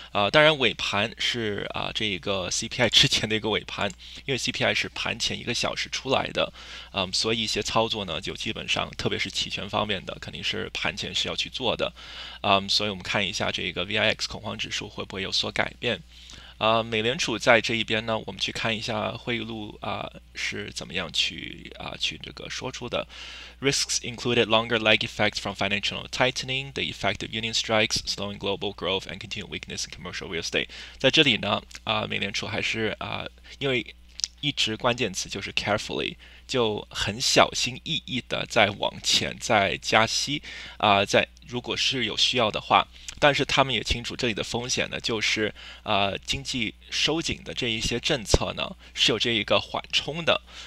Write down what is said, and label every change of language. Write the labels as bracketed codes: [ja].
[zh] 当然尾盘是这一个 CPI 之前的一个尾盘，因为 CPI 是盘前1个小时出来的，所以一些操作呢就基本上，特别是期权方面的，肯定是盘前是要去做的，所以我们看一下这个 VIX 恐慌指数会不会有所改变，美联储在这一边呢，我们去看一下会议录是怎么样去这个说出的。 [en] Risks included longer lag effects from financial tightening, the effect of union strikes, slowing global growth, and continued weakness in commercial real estate。 [zh] 在这里呢，美联储还是因为一直关键词就是 carefully，就很小心翼翼的在往前在加息，在如果是有需要的话，但是他们也清楚这里的风险呢，就是经济收紧的这一些政策呢是有这一个缓冲的，